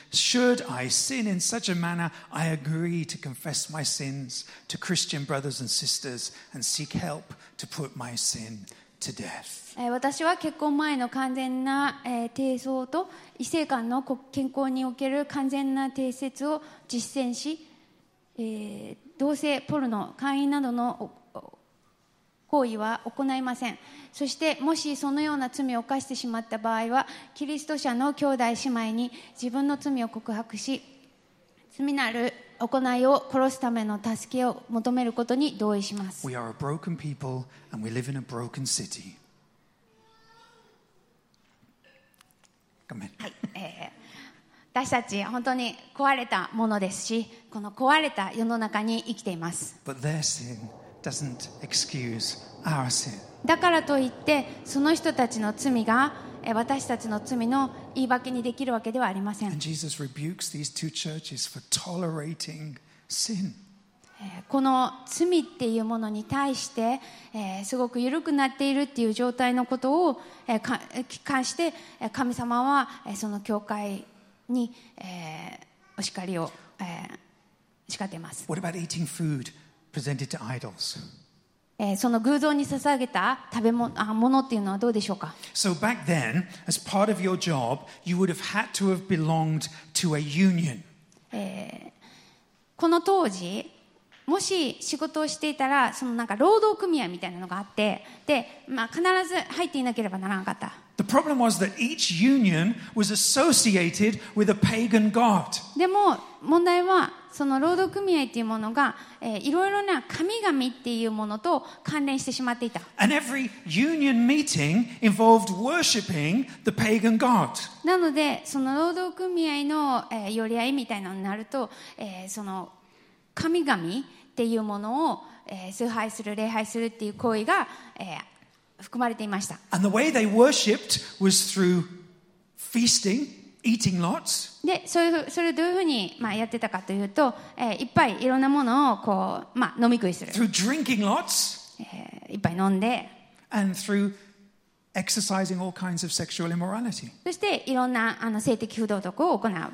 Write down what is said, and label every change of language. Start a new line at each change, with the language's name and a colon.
English: Should I sin in such a manner, I agree to confess my sins to Christian brothers and sisters and seek help to put my sin to death.
Japanese: 私は結婚前の完全な貞操と異性間の健康における完全な貞節を実践し、同性ポルノ会員などの行為は行いません。そしてもしそのような罪を犯してしまった場合はキリスト者の兄弟姉妹に自分の罪を告白し罪なる行いを殺すための助けを求めることに同意します。
English: We are a broken people and we live in a broken city. Come in.
Japanese: はい、私たち本当に壊れたものですし、この壊れた世の中に生きています。
English: But their sin doesn't excuse our sin.
Japanese: だからといって、その人たちの罪が私たちの罪の言い訳にできるわけではありません。
English: And Jesus rebukes these two churches for tolerating sin.
Japanese: この罪っていうものに対して、すごく緩くなっているっていう状態のことを、関して神様はその教会に、お叱りを、叱っています。
English: What about eating food presented to idols?
Japanese: その偶像に捧げた食べ物、ものっていうのはどうでしょうか?
English: So back then, as part of your job, you would have had to have belonged to a union.
Japanese: この当時、もし仕事をしていたら、そのなんか労働組合みたいなのがあって、で、必ず入っていなければならなかった。
English: The problem was that each union was associated with a pagan god.
Japanese: でも問題はその労働組合っていうものが、いろいろな神々っていうものと関連してしまっていた。
English: And every union meeting involved worshiping the pagan god.
Japanese: なのでその労働組合の、寄り合いみたいなのになると、その神々っていうものを、崇拝する礼拝するっていう行為が、含まれていました。
English: And the way they worshipped was through feasting, eating lots.
Japanese: で、それをどういうふうに、やってたかというと、いっぱいいろんなものをこう、飲み食いする。
English: Through drinking lots.
Japanese: いっぱい飲んで。
English: And through exercising all kinds of sexual immorality.
Japanese: そしていろんな性的不道徳を行う。